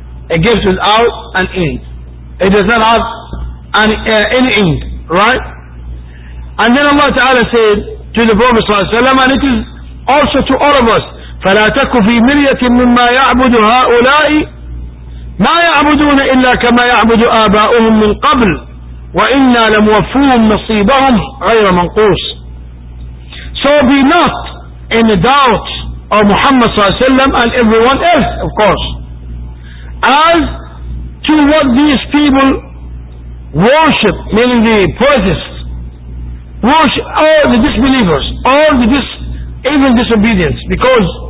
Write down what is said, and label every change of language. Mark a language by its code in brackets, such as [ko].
[en] A gift without an end. It does not have any end, right? And then Allah Ta'ala said to the Prophet صلى الله عليه وسلم, and it is also to all of us, [ar] فَلَا تَكُ فِي مِرْيَةٍ مِمَّا يَعْبُدُ هَؤُلَاءِ ما يعبدون إلا كما يعبد آباؤهم من قبل وإنا لموفوهم نصيبهم غير منقوص. [en] So be not in doubt of Muhammad صلى الله عليه وسلم and everyone else of course as to what these people worship, meaning the polytheists, worship all the disbelievers, all the even disobedience, because